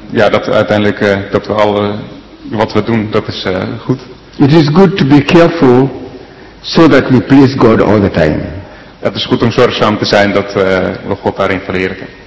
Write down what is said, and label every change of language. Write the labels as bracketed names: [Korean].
[Dutch] Dat uiteindelijk dat we alle wat we doen, dat is goed. [English] It is good to be careful so that we please God all the time. [Dutch] Het is goed om zorgzaam te zijn dat we God daarin verheerlijken.